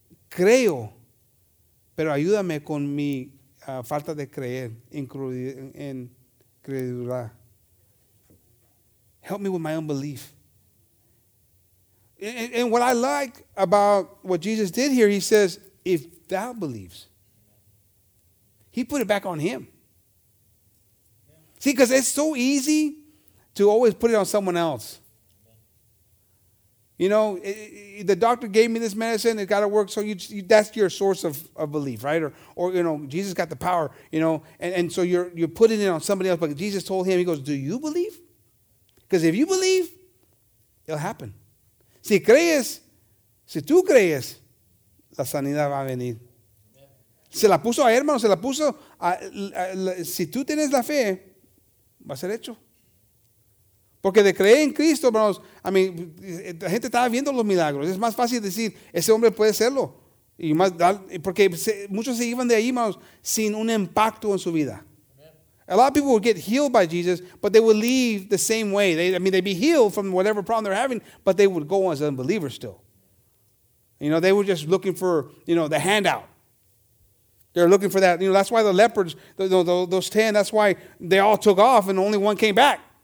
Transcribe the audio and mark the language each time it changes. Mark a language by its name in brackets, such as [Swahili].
[Spanish] Creo, pero ayúdame con mi falta de creer, incredulidad. [English] Help me with my unbelief. And what I like about what Jesus did here, he says, if thou believes, He put it back on him. See, because it's so easy to always put it on someone else. You know, the doctor gave me this medicine. It got to work. So that's your source of belief, right? Or you know, Jesus got the power, you know. And so you're putting it on somebody else. But Jesus told him, he goes, do you believe? Because if you believe, it'll happen. [Spanish] Si crees, si tú crees, la sanidad va a venir. Se la puso a hermano, se la puso a si tú tienes la fe, va a ser hecho. Porque de creer en Cristo, hermanos, a mí, la gente estaba viendo los milagros. Es más fácil decir, ese hombre puede serlo. Y más, porque muchos se iban de ahí, hermanos, sin un impacto en su vida. [English] A lot of people would get healed by Jesus, but they would leave the same way. They'd be healed from whatever problem they're having, but they would go as unbelievers still. You know, they were just looking for, you know, the handout. They're looking for that. You know, that's why the leopards, those 10, that's why they all took off and only one came back.